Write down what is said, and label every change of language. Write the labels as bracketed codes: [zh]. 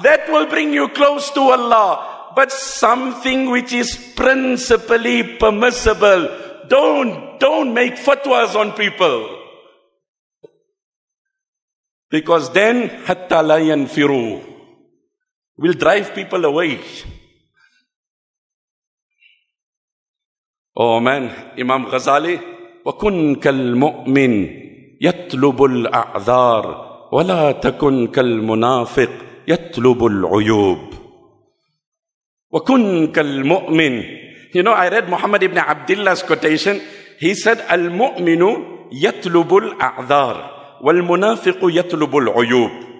[en] That will bring you close to Allah. But something which is principally permissible, don't make fatwas on people. Because then, [ar] hatta la yanfiru, [en] will drive people away. Oh man, [ar] Imam Ghazali, وَكُنْ كَالْمُؤْمِنِ يَتْلُبُ الْأَعْذَارِ وَلَا تَكُنْ كَالْمُنَافِقِ يَتْلُبُ الْعُيُوبِ وَكُنْ كَالْمُؤْمِنِ. [en] You know, I read Muhammad ibn Abdullah's quotation. [ar] He said, الْمُؤْمِنُ يَتْلُبُ الْأَعْذَارِ وَالْمُنَافِقُ يَتْلُبُ الْعُيُوبِ.